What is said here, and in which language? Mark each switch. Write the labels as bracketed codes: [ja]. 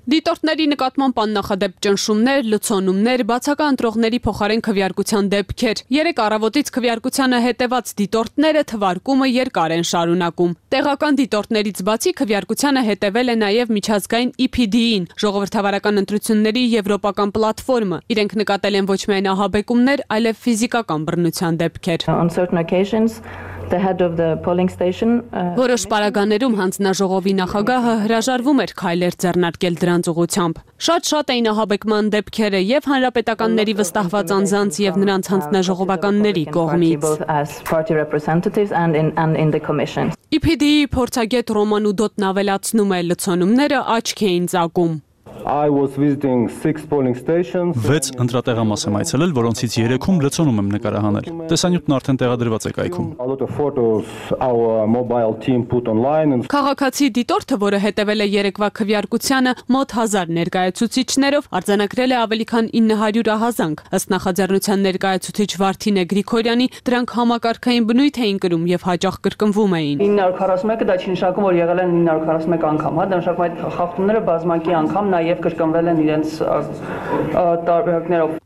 [hy] Դիտորդների նկատմամբ աննախադեպ ճնշումներ, լցոնումներ, բացակա ընտրողների փոխարեն քվեարկության դեպքեր։ Երեկ առավոտից քվեարկությանը հետևած դիտորդները թվարկումը երկար են շարունակում։ Տեղական դիտորդներից բացի քվեարկությանը հետևել է նաև միջազգային EPD-ին, ժողովրդավարական ընտրությունների եվրոպական պլատֆորմը։ Իրենք նկատել են ոչ միայն ահաբեկումներ, այլև ֆիզիկական բռնության դեպքեր։ [en] The head of the polling station. [hy] Որոշ պարագաներում հանձնաժողովի նախագահը հրաժարվում էր քայլեր ձեռնարկել դրանց ուղղությամբ։ Շատ-շատ էին ահաբեկման դեպքերը եւ հանրապետականների վստահված անձանց եւ նրանց հանձնաժողովականների կողմից։ EPD-ի փորձագետ Ռոման Ուդոտն ավելացնում է, լցոնումները աչք էին ծակում։ [en] I was visiting 6 polling stations. [hy] 6 ընտրատեղամաս եմ այցելել, որոնցից 3-ում լցոնում եմ նկարահանել։ Տեսանյութն արդեն տեղադրված է կայքում։ [en] A lot of photos our mobile team put online. [hy] Քաղաքացի դիտորդը, որը հետևել է երեկվա քվեարկությանը, մոտ 1000 ներկայացուցիչներով արձանագրել է ավելի քան 900 ահազանգ։ Ըստ նախաձեռնության ներկայացուցիչ Վարդինե Գրիգորյանի, դրանք համակարգային բնույթ էին կրում եւ հաճախ կրկնվում էին։ 941-ը դա չի նշանակում, որ եղել են 941 անգամ, հա, դա նշանակում է այդ խախտումները բազմակի անգամ նաև կրկնվել են իրենց տարբերակներով։